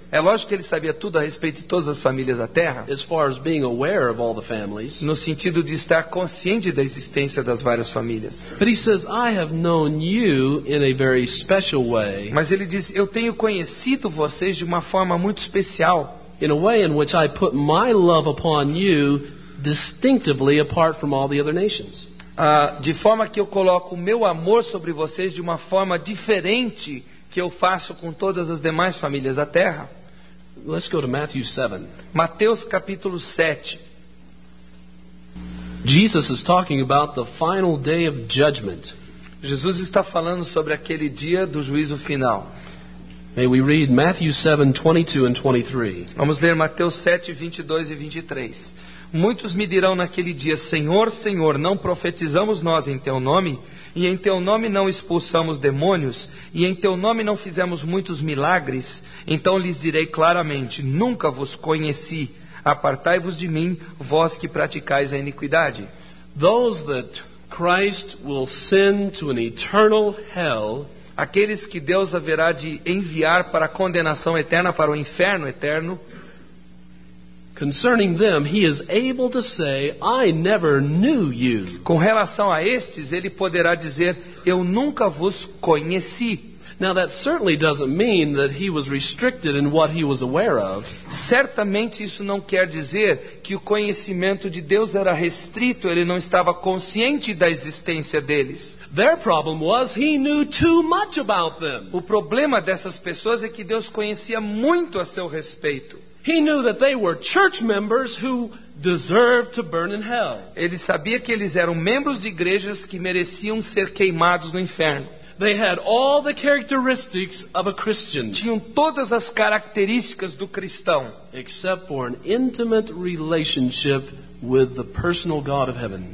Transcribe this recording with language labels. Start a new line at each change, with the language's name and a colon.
Portuguese: É lógico que ele sabia tudo a respeito de todas as famílias da terra.
English: As far as being aware of all the families.
Portuguese: No sentido de estar consciente da existência das várias famílias.
English: But he says, I have known you in a very special way.
Portuguese: Mas ele diz, eu tenho conhecido vocês de uma forma muito especial.
English: In a way in which I put my love upon you distinctively apart from all the other nations.
Portuguese: De forma que eu coloco o meu amor sobre vocês de uma forma diferente que eu faço com todas as demais famílias da terra.
English: Let's go to Matthew 7.
Portuguese: Mateus capítulo 7.
English: Jesus is talking about the final day of judgment.
Portuguese: Jesus está falando sobre aquele dia do juízo final.
English: May we read Matthew 7:22 and 23.
Portuguese: Vamos ler Mateus 7, 22 e 23. Muitos me dirão naquele dia, Senhor, Senhor, não profetizamos nós em teu nome? E em teu nome não expulsamos demônios? E em teu nome não fizemos muitos milagres? Então lhes direi claramente, nunca vos conheci. Apartai-vos de mim, vós que praticais a iniquidade.
English: Those that Christ will send to an eternal hell,
Portuguese: aqueles que Deus haverá de enviar para a condenação eterna, para o inferno eterno,
English: Concerning them, he is able to say, I never knew you.
Portuguese: Com relação a estes, ele poderá dizer, eu nunca vos conheci.
English: Now that certainly doesn't mean that he was restricted in what he was aware of.
Portuguese: Certamente isso não quer dizer que o conhecimento de Deus era restrito, ele não estava consciente da existência deles.
English: Their problem was he knew too much about them.
Portuguese: O problema dessas pessoas é que Deus conhecia muito a seu respeito.
English: He knew that they were church members who deserved to burn in hell.
Portuguese: Ele sabia que eles eram membros de igrejas que mereciam ser queimados no inferno.
English: They had all the characteristics of a Christian.
Portuguese: Tinham todas as características do cristão,
English: except for an intimate relationship with the personal God of heaven.